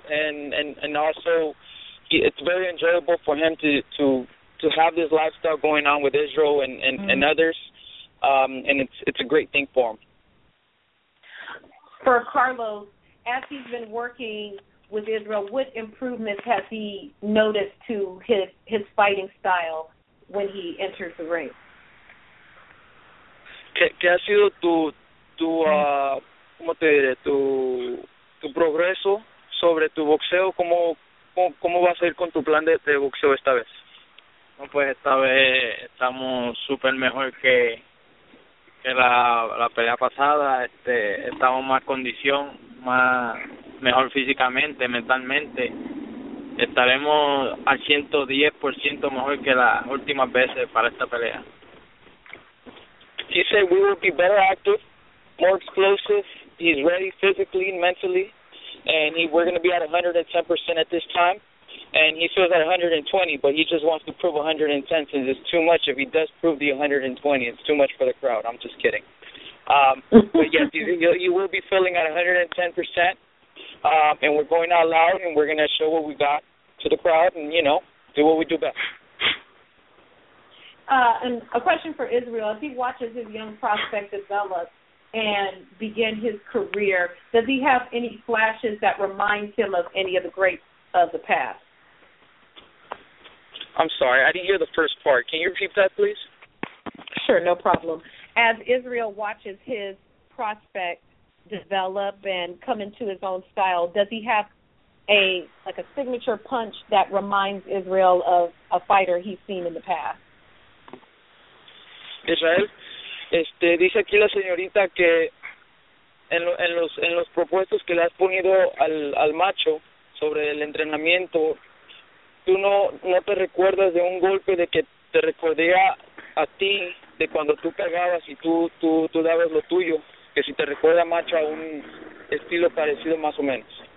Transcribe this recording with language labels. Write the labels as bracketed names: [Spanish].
[English] And also, it's very enjoyable for him to have this lifestyle going on with Israel and others. And it's a great thing for him. For Carlos, as he's been working with Israel, what improvements has he noticed to his fighting style when he enters the ring? [Spanish] ¿Qué ha sido tu progreso sobre tu boxeo? ¿Cómo vas a ir con tu plan de boxeo esta vez? No, pues esta vez estamos súper mejor que la pelea pasada. Estamos más condición, mejor físicamente, mentalmente. Estaremos al 110% mejor que las últimas veces para esta pelea. [English] He said we will be better active, more explosive. He's ready physically and mentally, and we're going to be at 110% at this time. And he feels at 120, but he just wants to prove 110, since it's too much. If he does prove the 120, it's too much for the crowd. I'm just kidding. But, yes, you will be feeling at 110%, and we're going out loud, and we're going to show what we got to the crowd and, you know, do what we do best. And a question for Israel. As he watches his young prospect develop and begin his career, does he have any flashes that remind him of any of the greats of the past? I'm sorry, I didn't hear the first part. Can you repeat that, please? Sure, no problem. As Israel watches his prospect develop and come into his own style, does he have a signature punch that reminds Israel of a fighter he's seen in the past? Israel, [Spanish] Dice aquí la señorita que en los propuestos que le has ponido al macho sobre el entrenamiento, tú no te recuerdas de un golpe de que te recordé a ti de cuando tú cagabas y tú dabas lo tuyo, que si te recuerda macho a un estilo parecido más o menos.